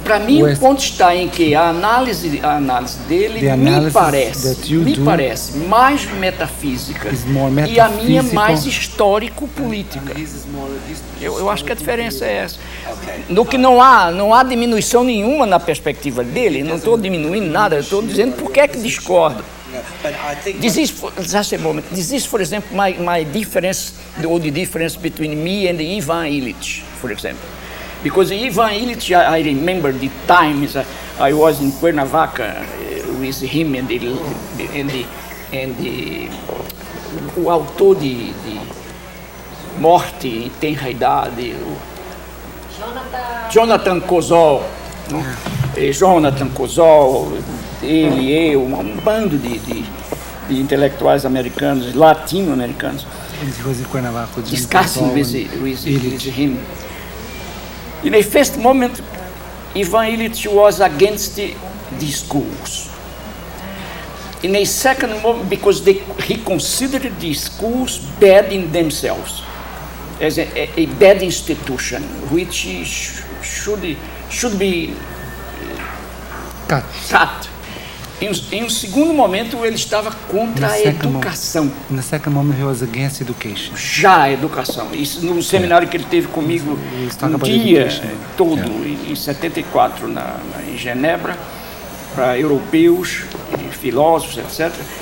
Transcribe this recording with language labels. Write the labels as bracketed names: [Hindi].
[Portuguese] Para mim, West. O ponto está em que a análise dele me parece mais metafísica e a minha mais histórico-política. Eu acho que a diferença é essa. No que não há diminuição nenhuma na perspectiva dele, não estou diminuindo nada, estou dizendo porque é que discordo. [English] This is, for example, my difference, or the difference between me and Ivan Illich, for example. Because Ivan Illich, I remember the times I was in Cuernavaca with him and the [Portuguese] o autor de Morte em Tenra Idade, Jonathan Kozol, ele, eu, um bando de intelectuais americanos, latino-americanos. [English] Discussing with him. In a first moment, Ivan Illich was against the schools. In a second moment, because he considered the schools bad in themselves, as a bad institution, which should be cut. [Portuguese] Em um segundo momento, ele estava contra a educação. No segundo momento, ele estava contra a educação. Já a educação. Isso no seminário que ele teve comigo um dia todo, em 74, em Genebra, para europeus, filósofos, etc.